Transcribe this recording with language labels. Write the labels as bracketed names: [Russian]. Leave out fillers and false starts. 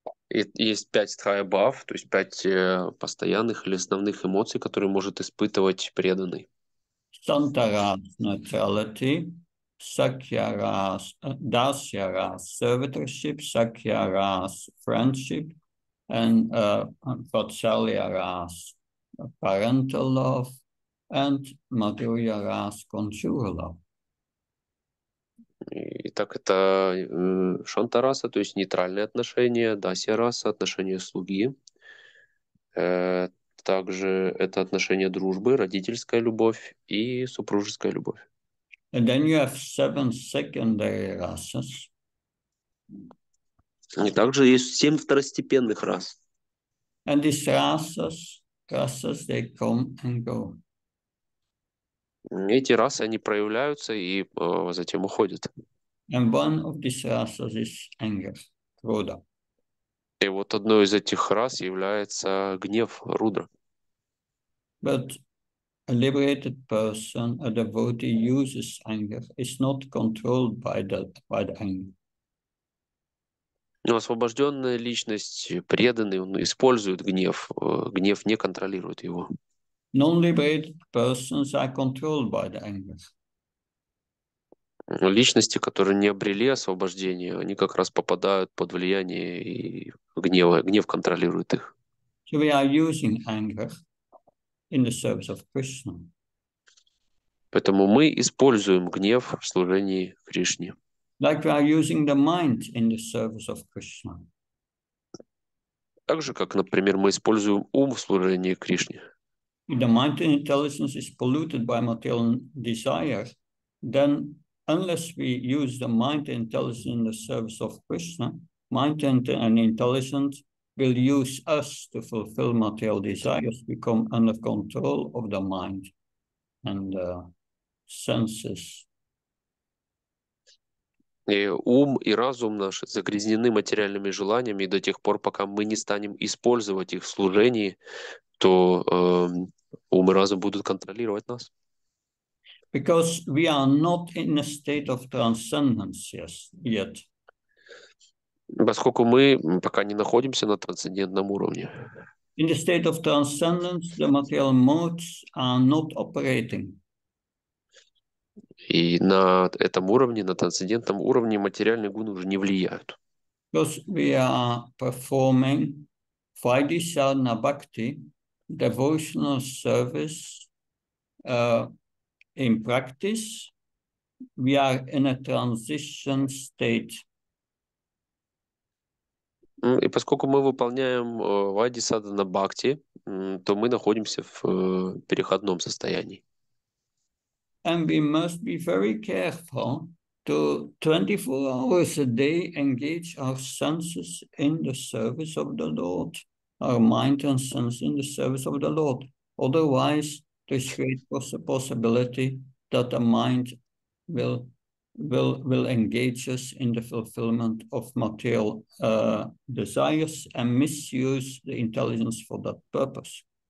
[Russian] Есть пять стхая-бхав, то есть пять постоянных или основных эмоций, которые может испытывать преданный. [English] Santaras – neutrality, Sakyaras – dasyaras – servitorship, Sakyaras – friendship, and Vatsalyaras – parental love, and Madhuryaras – conjugal love. [Russian] Так это шантараса, то есть нейтральные отношения, дасираса, отношения слуги. Также это отношения дружбы, родительская любовь и супружеская любовь. [English] And then you have seven secondary rasas. [Russian] И также есть семь второстепенных рас. [English] And these rasas, they come and go. [Russian] Эти расы, они проявляются и затем уходят. [English] And one of these rasas is anger, Rudra. [Russian] И вот одной из этих рас является гнев Рудра. [English] But a liberated person, a devotee uses anger, is not controlled by the anger. [Russian] Но освобожденная личность, преданный, он использует гнев. Гнев не контролирует его. [English] Non-liberated persons are controlled by the anger. [Russian] Личности, которые не обрели освобождение, они как раз попадают под влияние и гнева. Гнев контролирует их. [English] So we are using anger in the service of Krishna. [Russian] Поэтому мы используем гнев в служении Кришне. [English] Like we are using the mind in the service of Krishna. [Russian] Так же, как, например, мы используем ум в служении Кришне. [English] If the mind and intelligence is polluted by material desires, then unless we use the mind and intelligence in the service of Krishna, mind and intelligence will use us to fulfill material desires, become under control of the mind and the senses. [Russian] И ум и разум наш загрязнены материальными желаниями до тех пор, пока мы не станем использовать их в служении, то ум и разум будут контролировать нас. [English] Because we are not in a state of transcendence yet. [Russian] Поскольку мы пока не находимся на трансцендентном уровне. [English] In the state of transcendence, the material modes are not operating. [Russian] И на этом уровне, на трансцендентном уровне, материальные гуны уже не влияют. [English] Because we are performing Vaidhi Sadhana Bhakti, devotional service, In practice, we are in a transition state. [Russian] И поскольку мы выполняем вади садхана бхакти, то мы находимся в переходном состоянии. [English] And we must be very careful to 24 hours a day engage our senses in the service of the Lord, our mind and sense in the service of the Lord. Otherwise, this creates a possibility that the mind will engage us in the fulfillment of material desires and misuse the intelligence for that purpose.